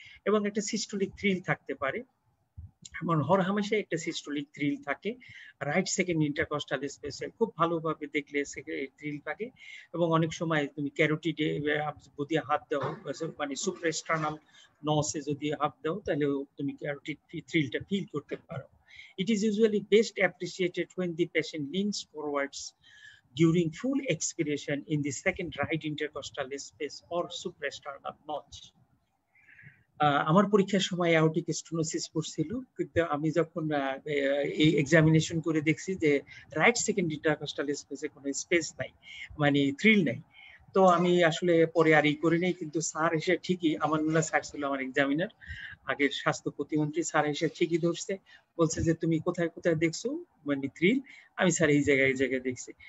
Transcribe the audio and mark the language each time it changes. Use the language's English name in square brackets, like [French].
[Bangla] এবং একটা systolic thrill থাকতে পারে, আমার হর হামেশা একটা সিস্টোলিক থ্রিল থাকে রাইট সেকেন্ড ইন্টারকস্টাল স্পেসে, খুব ভালোভাবে দেখলে থ্রিল থাকে। এবং অনেক সময় তুমি ক্যারোটিড যদি হাত দাও মানে সুপ্রাস্টার্নাল নসে যদি হাত দাও তাহলে তুমি ক্যারোটিড থ্রিলটা ফিল করতে পারো। [English] It is usually best appreciated when the patient leans forwards during full expiration in the second right intercostal space or suprasternal notch. [Bangla] আমার পরীক্ষার সময় অ্যাওর্টিক স্টেনোসিস পড়ছিল, কিন্তু আমি যখন এই এক্সামিনেশন করে দেখছি যে রাইট সেকেন্ড ইন্টারকস্টাল স্পেসে কোনো স্পেস নাই মানে থ্রিল নাই, তো আমি আসলে পরে আর ই করি নাই। কিন্তু স্যার এসে ঠিকই, আমানুল্লাহ স্যার ছিল আমার এক্সামিনার আগের স্বাস্থ্য প্রতিমন্ত্রী, স্যার এসে ঠিকই ধরছে, বলছে যে তুমি কোথায় কোথায় দেখছো মানে থ্রিল, আমি স্যার এই জায়গায় এই জায়গায় দেখছি।